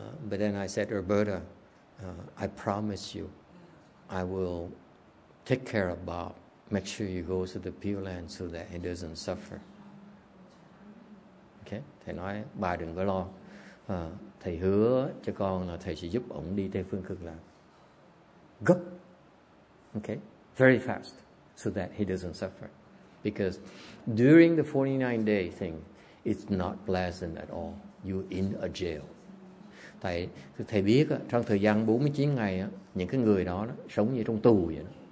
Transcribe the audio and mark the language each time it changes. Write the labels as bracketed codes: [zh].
[en] But then I said, Roberta, I promise you, I will take care of Bob. Make sure you go to the Pure Land so that he doesn't suffer. [vi] Okay? Thầy nói, bà đừng có lo. Thầy hứa cho con là thầy sẽ giúp ông đi Tây Phương Cực Lạc. [en] Gấp. Okay? Very fast. So that he doesn't suffer. Because during the 49 day thing, it's not pleasant at all. You're in a jail. [vi] Thầy biết trong thời gian 49 ngày những cái người đó sống như trong tù vậy đó.